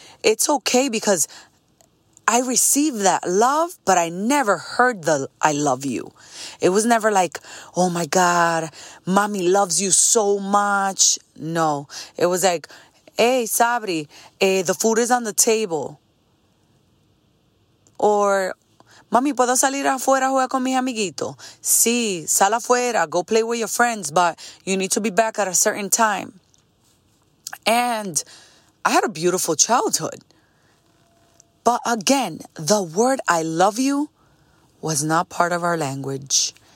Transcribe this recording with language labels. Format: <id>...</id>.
<en>It's okay because I received that love, but I never heard the I love you. It was never like, oh my God, mommy loves you so much. No, it was like, hey, Sabri, the food is on the table.</en> <es>Or, mommy, ¿puedo salir afuera a jugar con mis amiguitos? Sí, sal afuera,</es> <en>go play with your friends, but you need to be back at a certain time. And I had a beautiful childhood. But again, the word I love you was not part of our language.</en>